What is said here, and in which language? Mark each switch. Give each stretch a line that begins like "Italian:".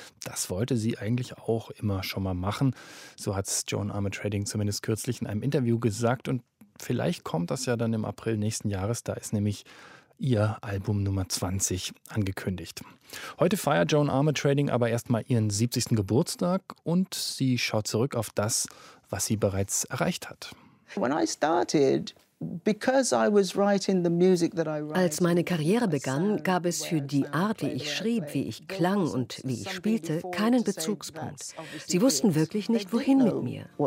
German: Das wollte sie eigentlich auch immer schon mal machen. So hat es Joan Armatrading zumindest kürzlich in einem Interview gesagt. Und vielleicht kommt das ja dann im April nächsten Jahres. Da ist nämlich ihr Album Nummer 20 angekündigt. Heute feiert Joan Armatrading aber erstmal ihren 70. Geburtstag und sie schaut zurück auf das, was sie bereits erreicht hat.
English: When I started, because I was writing the music that I write,
German: als meine Karriere begann, gab es für die Art, wie ich schrieb, wie ich klang und wie ich spielte, keinen Bezugspunkt. Sie wussten wirklich nicht, wohin mit mir.